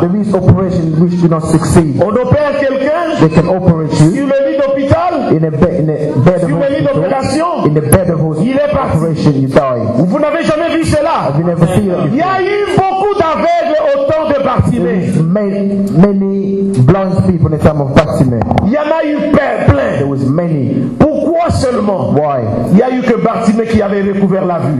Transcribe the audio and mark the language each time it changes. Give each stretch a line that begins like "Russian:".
English: There is operation which do not succeed.
French: On opère quelqu'un.
English: They can operate you.
French: Sur le lit d'hôpital.
English: In a bed
French: sur
English: of hospital.
French: Sur le lit d'opération.
English: In the bed of hospital.
French: Il est parti.
English: Operation, you die.
French: Vous n'avez jamais vu cela?
English: Have you never seen it before?
French: Il y a eu beaucoup d'aveugles au temps de Bartimée.
English: There is many blind people in the time of Bartimée.
French: Il y en a eu plein.
English: There was many.
French: Pourquoi seulement?
English: Why?
French: Il y a eu que Bartimée qui avait recouvert la vue.